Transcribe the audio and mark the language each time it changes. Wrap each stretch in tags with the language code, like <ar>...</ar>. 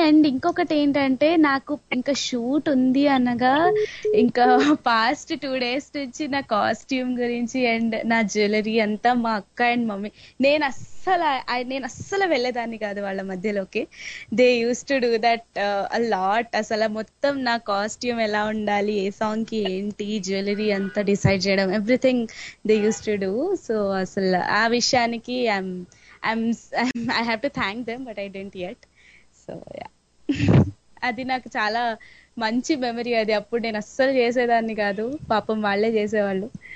<te>And ఇంకొకటి ఏంటంటే, నాకు ఇంకా షూట్ ఉంది అనగా ఇంకా పాస్ట్ 2 డేస్ నుంచి నా కాస్ట్యూమ్ గురించి అండ్ నా జ్యువెలరీ అంతా మా అక్క అండ్ మమ్మీ, నేను అస్సలు వెళ్ళేదాన్ని కాదు వాళ్ళ మధ్యలోకి.</te> <en>They use to do that a lot.</en> <te>అసలు మొత్తం నా కాస్ట్యూమ్ ఎలా ఉండాలి, ఏ సాంగ్ కి ఏంటి, జ్యువెలరీ అంతా డిసైడ్ చేయడం,</te> <en>Everything they use to do.</en> <te>So అసలు ఆ విషయానికి</te> <en>I have to thank them, but I didn't yet. So, yeah.</en> <te>అది నాకు చాలా మంచి మెమరీ. అది అప్పుడు నేను అస్సలు చేసేదాన్ని కాదు, పాపం వాళ్ళే చేసేవాళ్ళు.</te>